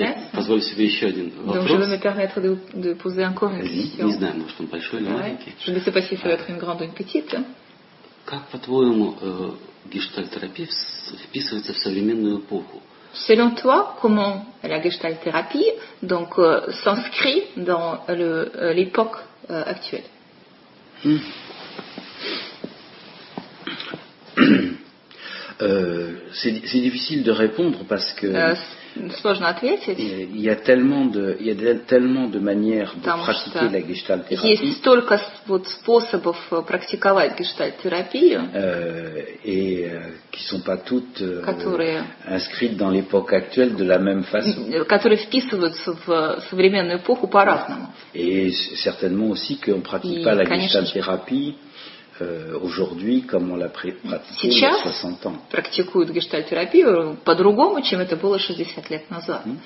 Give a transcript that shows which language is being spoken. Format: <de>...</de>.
<ru>Позволь себе еще один вопрос. Не знаю, может он большой или маленький. Как, по-твоему, гештальтерапия вписывается в современную эпоху?</ru> <fr>Selon toi, comment la gestalt-thérapie donc s'inscrit dans le l'époque actuelle? C'est difficile de répondre parce que il y a tellement de manières de pratiquer la gestalt-thérapie.</fr> <ru>Есть столько вот способов практиковать гештальт-терапию.</ru> <fr>Et qui sont pas toutes inscrites dans l'époque actuelle de la même façon.</fr> <ru>Которые вписываются в современную эпоху по-разному.</ru> <fr>Et certainement aussi qu'on pratique pas la gestalt-thérapie aujourd'hui comme on l'a pratiqué il y a 60 ans.</fr> <ru>Практикуют гештальт-терапию по-другому, чем это было 60 лет назад.</ru>